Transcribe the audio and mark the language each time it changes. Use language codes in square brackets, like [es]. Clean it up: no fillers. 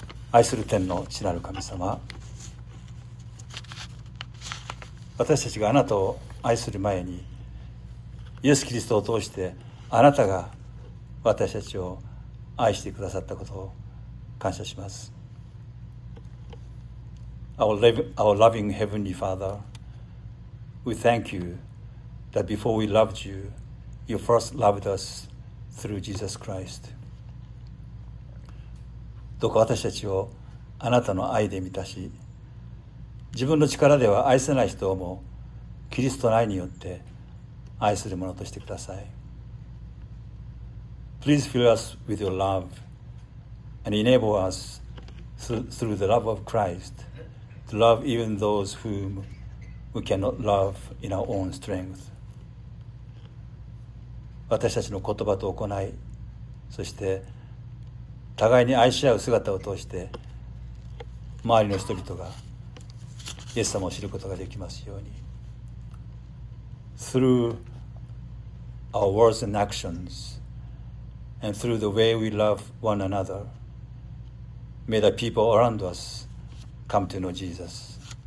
[ja] 愛する天の父なる神様、私たちがあなたを愛する前にイエス・キリストを通してあなたが私たちを愛してくださったことを感謝します。 [en] Our loving Heavenly Father, we thank you that before we loved youYou first loved us through Jesus Christ. [ja] どうか私たちをあなたの愛で満たし、自分の力では愛せない人をもキリストの愛によって愛するものとしてください。 [en] Please fill us with your love and enable us through the love of Christ to love even those whom we cannot love in our own strength. [ja] 私たちの言葉と行い、そして互いに愛し合う姿を通して周りの人々がイエス様を知ることができますように。 [en] Through our words and actions and through the way we love one another, may the people around us come to know Jesus.